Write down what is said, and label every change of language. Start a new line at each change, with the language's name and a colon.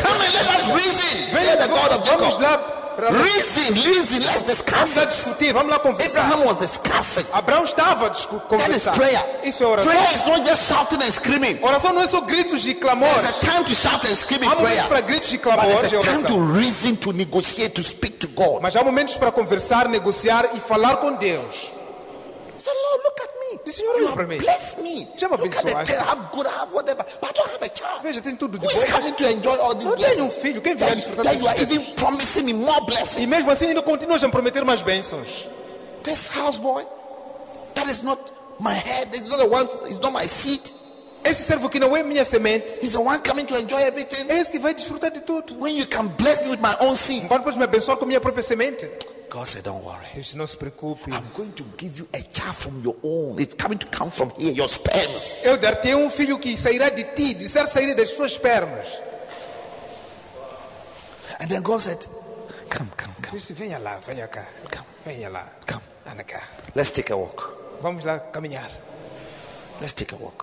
English: Come and let us reason. Say the God of Jacob.
Portuguese: Vamos lá.
English: Reason. Let's discuss it.
Portuguese: Vamos lá discutir. Vamos lá conversar.
English: Abraham was discussing.
Portuguese: Abraão estava conversando.
English: That is prayer.
Portuguese: Isso é oração.
English: Prayer is not just shouting and screaming.
Portuguese: Oração não é só gritos e clamor.
English: There's a time to shout and scream in prayer.
Portuguese: Há momentos para gritos e clamor.
English: But there's a time to reason, to negotiate, to speak to God.
Portuguese: Mas há momentos para conversar, negociar e falar com Deus.
English: So Lord, look at me.
Portuguese: O Senhor olha para mim.
English: Bless me.
Portuguese: Já me abençoaste.
English: Look at the I'm good, I have whatever, but I don't have a child.
Portuguese: Veja, tem tudo de
English: who
Portuguese: bom.
English: Who is coming to enjoy all these blessings?
Portuguese: Não tenho um filho. Quem virá desfrutar
English: disso? You are even promising me more blessings.
Portuguese: E mesmo assim ainda continuas a me prometer mais bênçãos.
English: This house boy, that is not my head. It's not the one. It's not my seat.
Portuguese: Esse servo que não é minha semente.
English: He's the one coming to enjoy everything.
Portuguese: É esse que vai desfrutar de tudo.
English: When you can bless me with my own seed.
Portuguese: Quando podes me abençoar com minha própria semente.
English: God said, don't worry.
Portuguese: Deus, não se preocupe.
English: I'm going to give you a child from your own. It's coming to come from here, your sperms.
Portuguese: Eu dar-te um filho que sairá de ti, de ser sairá das suas espermas.
English: And then God said, come.
Portuguese: Deus, venha lá, venha cá.
English: Come.
Portuguese: Venha lá.
English: Come.
Portuguese: Anda cá.
English: Let's take a walk.
Portuguese: Vamos lá caminhar.
English: Let's take a walk.